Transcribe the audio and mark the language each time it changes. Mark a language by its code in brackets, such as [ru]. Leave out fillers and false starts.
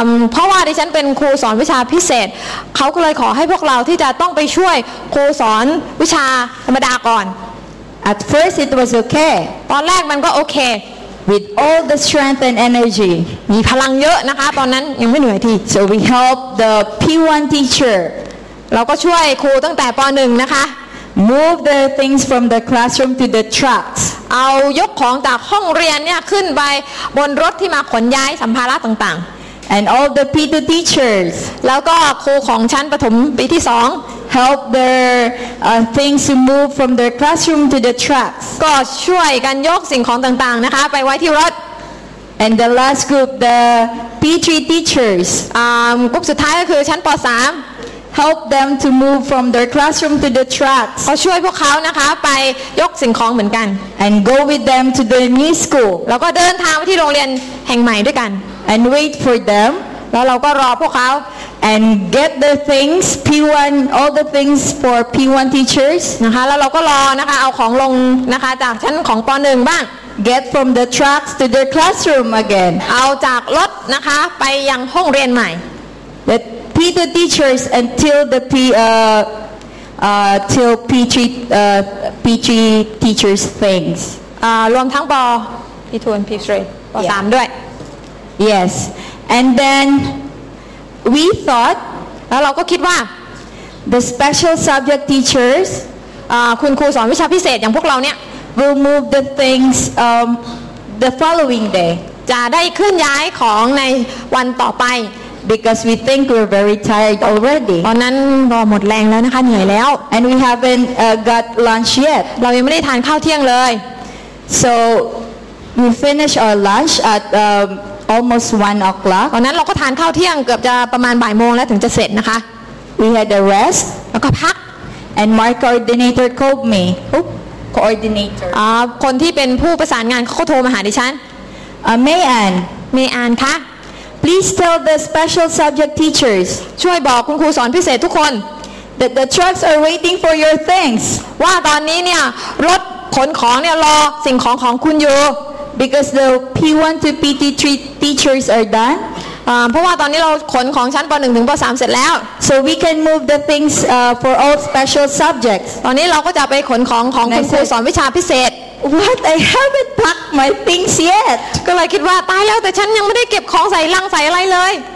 [th] เพราะว่าดิฉันเป็นครูสอนวิชาพิเศษเขาก็เลยขอให้พวกเราที่จะต้องไปช่วยครูสอนวิชาธรรมดาก่อน [en] At first it was okay [th] ตอนแรกมันก็โอเค [en] With all the strength and energy [th] มีพลังเยอะนะคะตอนนั้นยังไม่เหนื่อยที่ [en] So we helped the P1 teacher [th] เราก็ช่วยครูตั้งแต่ป.1 นะคะ [en] Move the things from the classroom to the trucks [th] เอายกของจากห้องเรียนเนี่ยขึ้นไปบนรถที่มาขนย้ายสัมภาระต่างๆ [en] And all the P2 teachers. [th] แล้วก็ครูของชั้นประถมปีที่สอง [en] help their things to move from their classroom to the trucks. [th] ก็ช่วยกันยกสิ่งของต่างๆนะคะไปไว้ที่รถ [en] And the last group, the P3 teachers. [th] กลุ่มสุดท้ายก็คือชั้นป.3 [en] help them to move from their classroom to the trucks. [th] ก็ช่วยพวกเขานะคะไปยกสิ่งของเหมือนกัน [en] And go with them to the new school. [th] แล้วก็เดินทางไปที่โรงเรียนแห่งใหม่ด้วยกัน [en] And wait for them. [th] แล้วเราก็รอพวกเขา [en] And get the things P1 all the things for P1 teachers. [th] นะคะแล้วเราก็รอนะคะเอาของลงนะคะจากชั้นของป.1 บ้าง [en] Get from the trucks to their classroom again. [th] เอาจากรถนะคะไปยังห้องเรียนใหม่ [en] The P2 teachers until the till P3 teachers things. [th] รวมทั้งป.P2 and P3. ข้อ3ด้วย [en] Yes and then we thought [th] แล้วเราก็คิดว่า [en] the special subject teachers [th] คุณครูสอนวิชาพิเศษอย่างพวกเราเนี่ย [en] will move the things the following day [th] จะได้เคลื่อนย้ายของในวันต่อไป [en] Because we think we're very tired already. [th] ตอนนั้นเราหมดแรงแล้วนะคะเหนื่อยแล้ว [en] And we haven't got lunch yet. [th] เรายังไม่ได้ทานข้าวเที่ยงเลย [en] So we finish our lunch at almost 1 o'clock. [th] ตอนนั้นเราก็ทานข้าวเที่ยงเกือบจะประมาณบ่ายโมงแล้วถึงจะเสร็จนะคะ [en] We had a rest. [th] แล้วก็พัก [en] And my coordinator called me. Coordinator. [th] คนที่เป็นผู้ประสานงานเขาโทรมาหาดิฉัน [en] May Ann. [th] May Ann คะ [en] Please tell the special subject teachers. [th] ช่วยบอกคุณครูสอนพิเศษทุกคน [en] that the trucks are waiting for your things. [th] ว่าตอนนี้เนี่ยรถขนของเนี่ยรอสิ่งของของคุณอยู่ [en] because the P1 to P3 teachers are done. [th] เพราะว่าตอนนี้เราขนของชั้นป.1ถึงป.3เสร็จแล้ว [en] so we can move the things for all special subjects. [th] ตอนนี้เราก็จะไปขนของของคุณครูสอนวิชาพิเศษ [en] What? I haven't packed my things yet. [th] ก็เลยคิดว่าตายแล้วแต่ฉันยังไม่ได้เก็บของใส่ลังใส่อะไรเลย